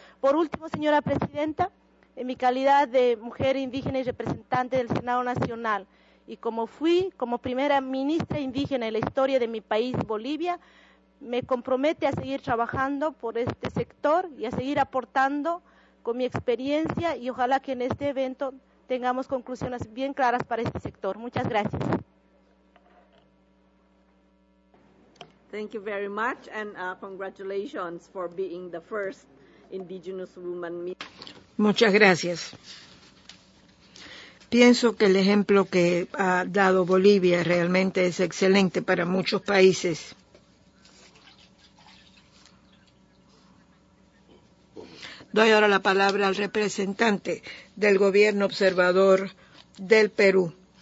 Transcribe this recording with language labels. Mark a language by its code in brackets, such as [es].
[es] Por último, señora presidenta, en mi calidad de mujer indígena y representante del Senado Nacional, y como fui como primera ministra indígena en la historia de mi país, Bolivia, me compromete a seguir trabajando por este sector y a seguir aportando con mi experiencia y ojalá que en este evento tengamos conclusiones bien claras para este sector. Muchas gracias. [en] Thank you very much and congratulations for being the first indigenous woman. [es] Muchas gracias. Pienso que el ejemplo que ha dado Bolivia realmente es excelente para muchos países. Doy ahora la palabra al representante del gobierno observador del Perú.